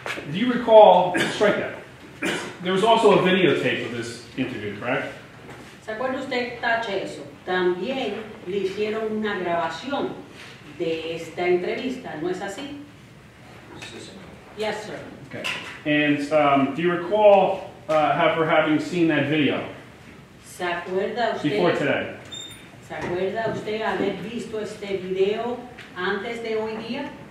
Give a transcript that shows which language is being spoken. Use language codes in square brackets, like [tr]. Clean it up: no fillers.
[en] Do you recall, strike that, there was also a videotape of this interview, correct? [es] ¿Se acuerda usted, tache eso? También le hicieron una grabación de esta entrevista, ¿no es así? [en] Yes, sir. Okay. And do you recall her having seen that video? [es] ¿Se acuerda usted? [en] Before today. [es] ¿Se acuerda usted haber visto este video antes de hoy día?